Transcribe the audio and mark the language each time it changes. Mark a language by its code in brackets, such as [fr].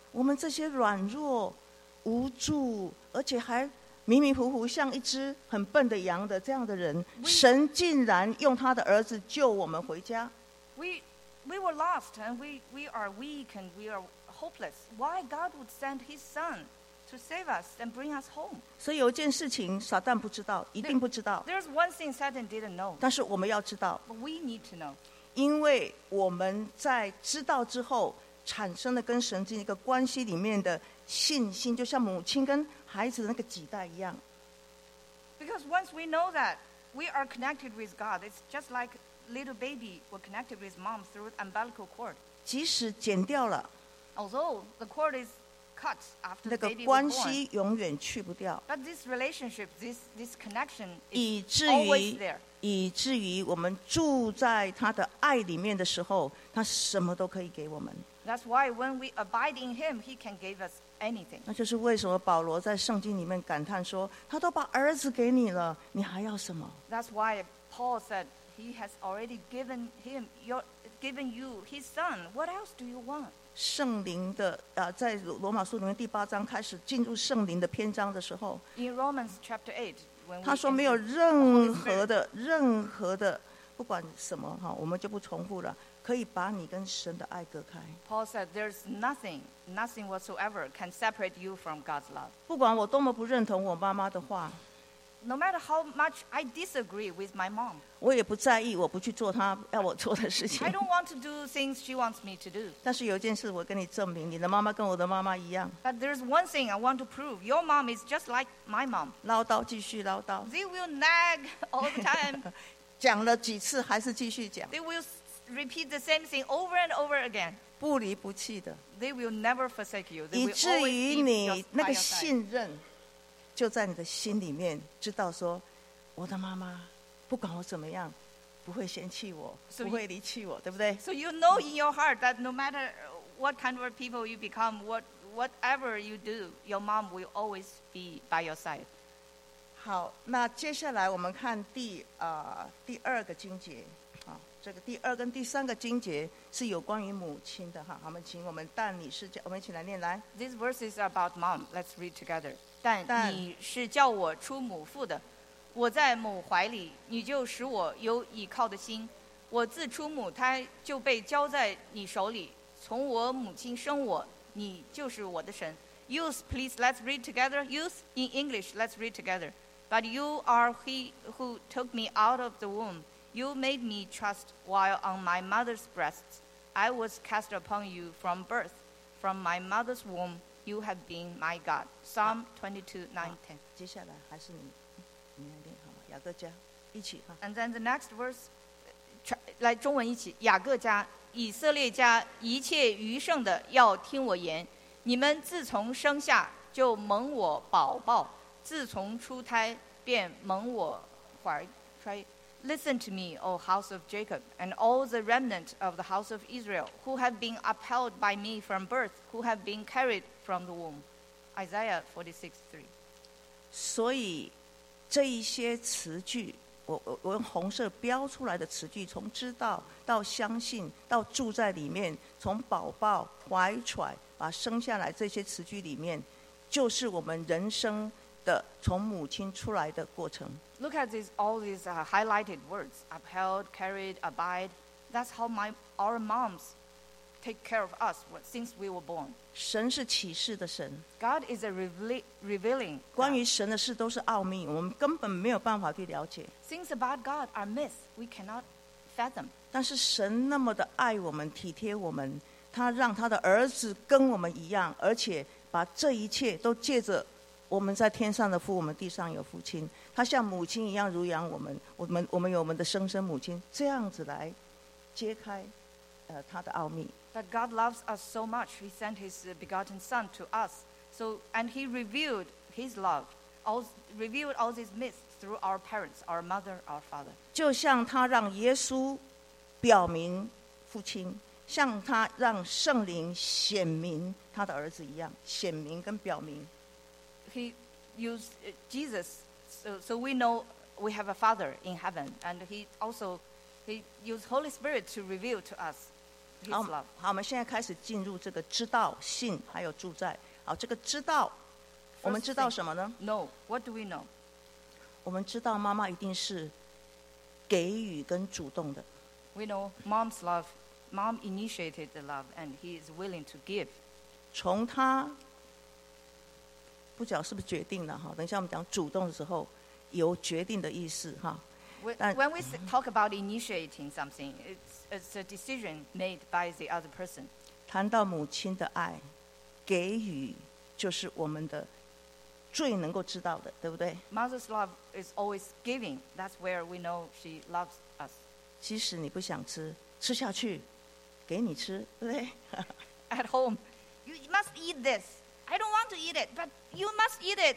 [zh] 我们这些软弱、无助，而且还迷迷糊糊，像一只很笨的羊的这样的人，神竟然用他的儿子救我们回家。 [en] We were lost and we are weak and we are hopeless. Why God would send His Son to save us and bring us home? [zh] 所以有一件事情撒旦不知道，一定不知道。 [en] There's one thing Satan didn't know. [zh] 但是我们要知道。 [en] But we need to know. [zh] 因为我们在知道之后，产生了跟神这一个关系里面的信心，就像母亲跟孩子的那个脐带一样。 [en] Because once we know that we are connected with God, it's just like little baby were connected with mom through umbilical cord. [zh] 即使剪掉了 [en] ，although the cord is cut after the baby was born, [zh] 那个关系永远去不掉。 [en] But this relationship, this connection, is always there. [zh] 以至于我们住在他的爱里面的时候，他什么都可以给我们。 [en] That's why when we abide in Him, He can give us anything. [zh] 那就是为什么保罗在圣经里面感叹说，他都把儿子给你了，你还要什么？ [en] That's why Paul said He has already given Him given you His Son. What else do you want? [zh] 圣灵的在罗马书里面第八章开始进入圣灵的篇章的时候， [en] In Romans chapter 8, when [zh] 他说没有任何的，不管什么哈，我们就不重复了。可以把你跟神的爱隔开。 [en] Paul said, "There's nothing whatsoever can separate you from God's love." [zh] 不管我多么不认同我妈妈的话 [en] ，No matter how much I disagree with my mom, [zh] 我也不在意，我不去做她要我做的事情。 [en] I don't want to do things she wants me to do. [zh] 但是有一件事我跟你证明，你的妈妈跟我的妈妈一样。 [en] But there's one thing I want to prove. Your mom is just like my mom. [zh] 唠叨，继续唠叨。 [en] They will nag all the time. [zh] 讲了几次还是继续讲。 [en] They will repeat the same thing over and over again. [zh] 不离不弃的。 [en] They will never forsake you. [zh] 以至于你那个信任，就在你的心里面，知道说，我的妈妈，不管我怎么样，不会嫌弃我，不会离弃我，对不对？ [en] So you know in your heart that no matter what kind of people you become, whatever you do, your mom will always be by your side. [zh] 好，那接下来我们看第二个经节。这个第二跟第三个经节是有关于母亲的哈，我们请我们但你是叫我们一起来念来。 [en] These verses are about mom. Let's read together. [zh] 但你是叫我出母腹的，我在母怀里，你就使我有倚靠的心。我自出母胎就被交在你手里，从我母亲生我，你就是我的神。 [en] Youth, please let's read together. Youth in English, let's read together. But you are he who took me out of the womb. You made me trust while on my mother's breasts. I was cast upon you from birth. From my mother's womb, you have been my God. Psalm 22:9-10. [zh] 接下来还是你，你来念好吗？雅各家，一起哈。 [en] And then the next verse, [zh] 来中文一起。雅各家，以色列家，一切余剩的要听我言。你们自从生下就蒙我宝宝，自从出胎便蒙我怀。 [en] Listen to me, O house of Jacob, and all the remnant of the house of Israel, who have been upheld by me from birth, who have been carried from the womb. Isaiah 46:3. [zh] 所以这一些词句，我用红色标出来的词句，从知道到相信到住在里面，从宝宝怀揣把生下来，这些词句里面就是我们人生的从母亲出来的过程。 [en] Look at all these highlighted words: upheld, carried, abide. That's how my our moms take care of us since we were born. [zh] 神是启示的神。 [en] God is a revealing. [zh] 关于神的事都是奥秘，我们根本没有办法去了解。 [en] Things about God are myths we cannot fathom. [zh] 但是神那么的爱我们，体贴我们，他让他的儿子跟我们一样，而且把这一切都借着我们在天上的父，我们地上有父亲，他像母亲一样濡养我们，我们有我们的生生母亲，这样子来揭开他的奥秘。 [en] That God loves us so much, He sent His begotten Son to us. So, and He revealed His love, all revealed all these myths through our parents, our mother, our father. [zh] 就像他让耶稣表明父亲，像他让圣灵显明他的儿子一样，显明跟表明。 [en] He used Jesus, so we know we have a Father in heaven, and He used Holy Spirit to reveal to us. [zh] 好，我们现在开始进入这个知道、信还有住在。好，这个知道，我们知道什么呢 [en] ？No, what do we know? [zh] 我们知道妈妈一定是给予跟主动的。 [en] We know mom's love. Mom initiated the love, and he is willing to give. [zh] 从他不晓是不是决定了哈？等一下我们讲主动的时候，有决定的意思哈。 [en] When we talk about initiating something, it's a decision made by the other person. [zh] 谈到母亲的爱，给予就是我们的最能够知道的，对不对 [en] ？Mother's love is always giving. That's where we know she loves us. [zh] 即使你不想吃，吃下去，给你吃，对不对 [en] ？At home, you must eat this. I don't want to eat it, but you must eat it.